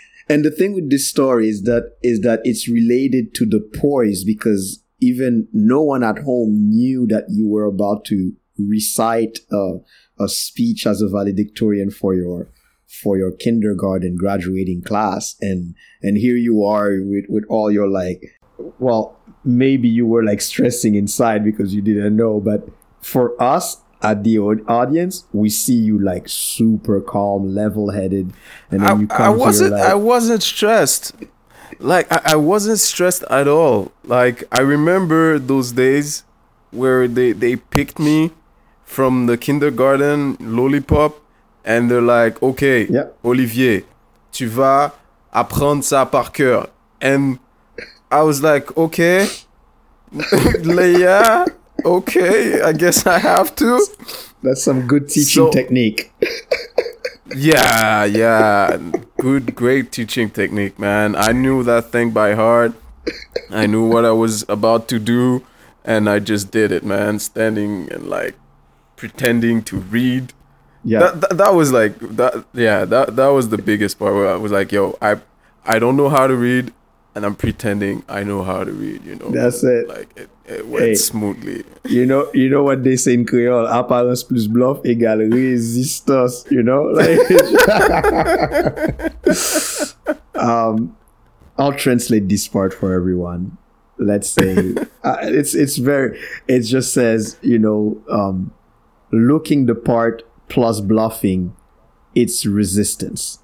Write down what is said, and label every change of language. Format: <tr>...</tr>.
<en>And the thing with this story is that it's related to the poise, because even no one at home knew that you were about to recite a speech as a valedictorian for your kindergarten graduating class, and here you are with all your, like, well, maybe you were like stressing inside because you didn't know, but for us at the audience, we see you like super calm, level-headed, and then I wasn't stressed at all. Like, I remember those days where they picked me from the kindergarten lollipop, and they're like, okay, yep,</en> <fr>Olivier, tu vas apprendre ça par cœur.</fr> <en>And I was like, okay, Leia, okay, I guess I have to. That's some good teaching technique. Yeah. Good, great teaching technique, man. I knew that thing by heart. I knew what I was about to do, and I just did it, man. Standing and like pretending to read. Yeah, that was the biggest part, where I was like, yo, I don't know how to read, and I'm pretending I know how to read, you know. That's it. Like, it went smoothly. You know what they say in Creole?</en> <fr>Apparence plus bluff égale résistance, you know?</fr> <en>Like, I'll translate this part for everyone. Let's say it just says, you know, looking the part plus bluffing, it's resistance.</en>